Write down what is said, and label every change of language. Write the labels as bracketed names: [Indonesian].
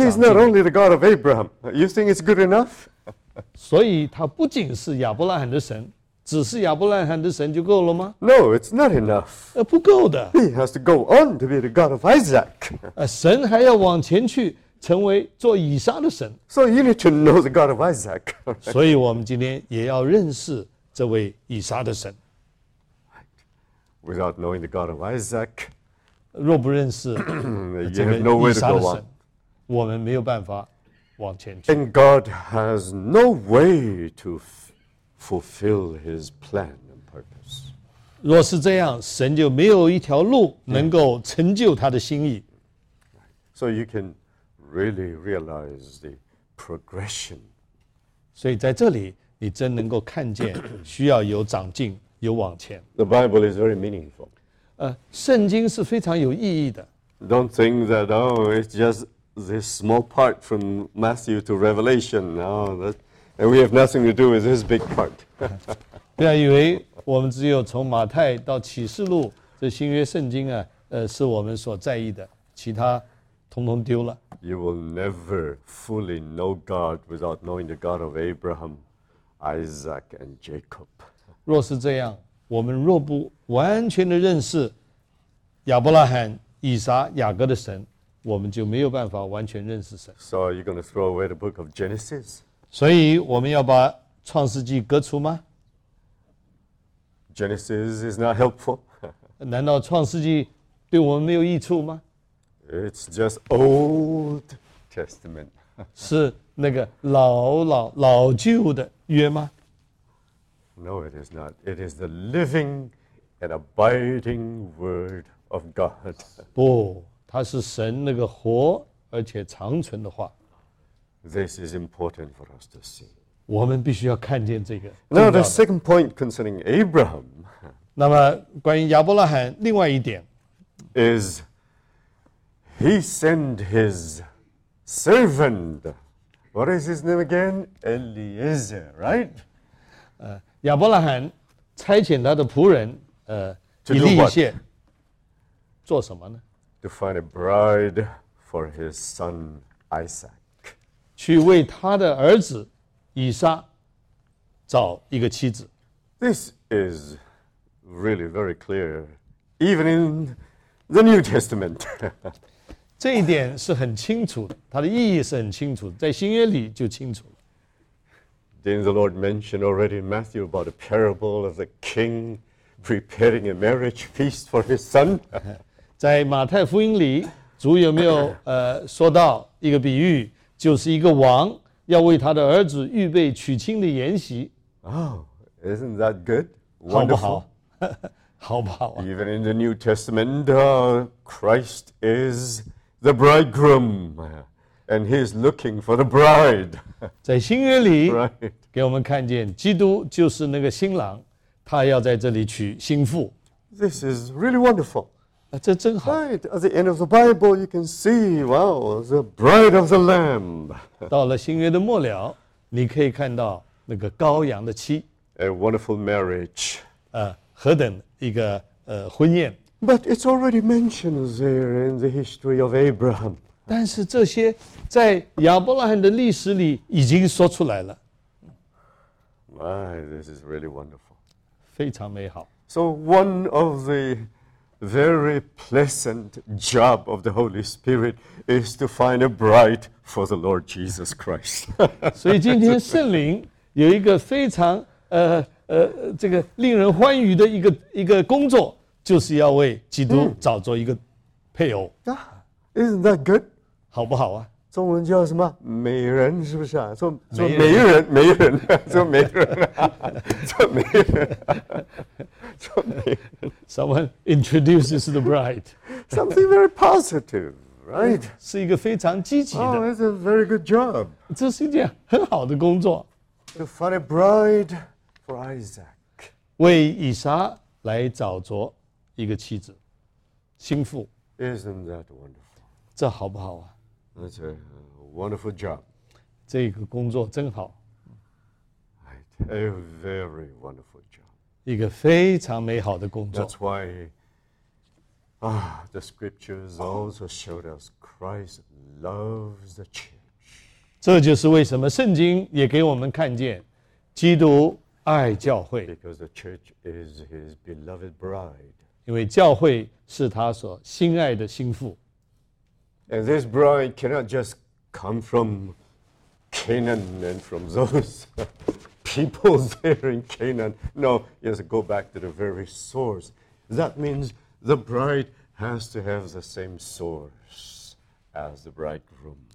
[English] He's not only the God of Abraham. You think it's good enough? [Chinese] 所以他不仅是亚伯拉罕的神只是亚伯拉罕的神就够了吗 [English] ？No, it's not enough. [Chinese] 不够的。 [English] He has to go on to be the God of Isaac. [Chinese] 神还要往前去，成为做以撒的神。 [English] So you need to know the God of Isaac. [Chinese] 所以我们今天也要认识这位以撒的神。 [English] Without knowing the God of Isaac, [Chinese] 若不认识这个以撒的神，我们没有办法往前去。 [English] And God has no way to fulfill his plan and purpose. [Chinese] 若是这样，神就没有一条路能够成就他的心意。 [English] So you can really realize the progression. [Chinese] 所以在这里，你真能够看见需要有长进，有往前。 [English] The Bible is very meaningful. [Chinese] 圣经是非常有意义的。 [English] Don't think that, oh, it's just this small part from Matthew to Revelation. No, that's And we have nothing to do with this big part. [Chinese] 不要以为我们只有从马太到启示录这新约圣经啊，是我们所在意的，其他统统丢了。 [English] You will never fully know God without knowing the God of Abraham, Isaac, and Jacob. [Chinese] 若是这样，我们若不完全的认识亚伯拉罕、以撒、雅各的神，我们就没有办法完全认识神。 [English] So you're going to throw away the book of Genesis? [Chinese] 所以我们要把创世纪割除吗 [English] ？Genesis is not helpful. [Chinese] 难道创世纪对我们没有益处吗？ [English] It's just Old Testament. [Chinese] 是那个老旧的约吗？ [English] No, it is not. It is the living and abiding word of God. [Chinese] 不，它是神那个活而且长存的话。 [English] This is important for us to see. [Chinese] 我们必须要看见这个。 [English] Now the second point concerning Abraham. [Chinese] 那么关于亚伯拉罕另外一点。 [English] Is he sent his servant. What is his name again? Eliezer, right? [Chinese] 亚伯拉罕差遣他的仆人以利谢。做什么呢？ [English] To find a bride for his son Isaac. [Chinese] 去为他的儿子以撒找一个妻子。 [English] This is really very clear, even in the New Testament. [Chinese] 这一点是很清楚的，它的意义是很清楚的，在新约里就清楚了。 [English] Didn't the Lord mention already in Matthew about the parable of the king preparing a marriage feast for his son? [Chinese] 在马太福音里，主有没有说到一个比喻？就是一个王要为他的儿子预备娶亲的筵席。 [English] Oh, isn't that good? Wonderful. [Chinese] 好不好？好不好啊？ [English] Even in the New Testament, Christ is the bridegroom, and he is looking for the bride. [Chinese] 在新约里，给我们看见基督就是那个新郎，他要在这里娶新妇。 [English] This is really wonderful. [Chinese] 这真好。 [English] Right, at the end of the Bible, you can see, wow, the bride of the Lamb. [Chinese] 到了新约的末了，你可以看到那个羔羊的妻。 [English] A wonderful marriage. [Chinese] 何等一个婚宴。 [English] But it's already mentioned there in the history of Abraham. [Chinese] 但是这些在亚伯拉罕的历史里已经说出来了。 [English] My, this is really wonderful. [Chinese] 非常美好。 [English] So one of the... Very pleasant job of the Holy Spirit is to find a bride for the Lord Jesus Christ. [Chinese] 所以今天圣灵有一个非常这个令人欢愉的一个工作，就是要为基督找着一个配偶。 [English] Isn't that good? [Chinese] 好不好啊？中文叫什么？美人是不是啊？做媒人，媒人，做媒人，做媒人，做媒人。 [English] Someone introduces the bride. Something very positive, right? [Chinese] 是一个非常积极的。 [English] Oh, it's a very good job. [Chinese] 这是一件很好的工作。 [English] To find a bride for Isaac. [Chinese] 为以撒来找着一个妻子，心腹。 [English] Isn't that wonderful? [Chinese] 这好不好啊？ [English] That's a wonderful job. [Chinese] 这个工作真好。 [English] Right, a very wonderful job. [Chinese] 一个非常美好的工作。 [English] That's why, the scriptures also showed us Christ loves the church. [Chinese] 这就是为什么圣经也给我们看见，基督爱教会。 [English] Because the church is his beloved bride. [Chinese] 因为教会是他所心爱的心腹。 [English] And this bride cannot just come from Canaan and from those people there in Canaan. No, you have to go back to the very source. That means the bride has to have the same source as the bridegroom.